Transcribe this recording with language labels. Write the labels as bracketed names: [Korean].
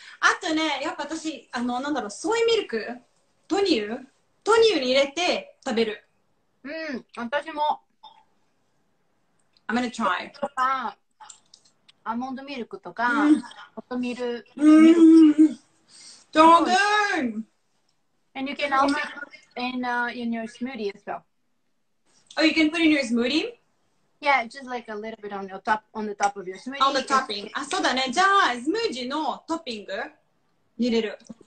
[Japanese] あとね、やっぱ私、なんだろう、ソイミルク、豆乳に入れて食べる。うん、私も。 [English] I'm gonna try. [Japanese] アーモンドミルクとか、ホットミル。うん。どうだい [English] And you can also put in your smoothie as well. Oh, you can put in your smoothie? Yeah, just like a little bit on the top of your smoothie. On the topping. [Japanese] あ、そうだね。じゃあ、スムージーのトッピング入れる。